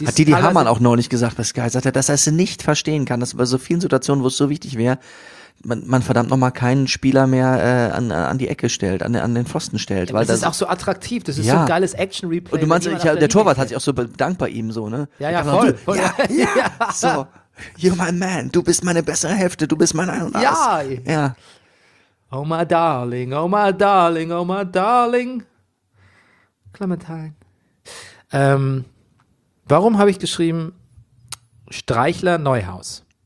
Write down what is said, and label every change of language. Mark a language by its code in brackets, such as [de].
[de] Hat Didi Hamann auch neulich gesagt, was Sky sagt, dass er es nicht verstehen kann, dass bei so vielen Situationen, wo es so wichtig wäre, man verdammt nochmal keinen Spieler mehr an die Ecke stellt, an den Pfosten stellt. Ja, weil das ist auch so attraktiv, das ist ja so ein geiles Action-Replay. Und du meinst, der Torwart hat sich auch so bedankt bei ihm, so, ne? Ja, voll. Voll. Ja, so. [en] You're my man, [de] du bist meine bessere Hälfte, du bist mein Ein und Aus. Ja. [en] Oh my darling, oh my darling, oh my darling. Clementine. [de] Warum habe ich geschrieben Streichler Neuhaus?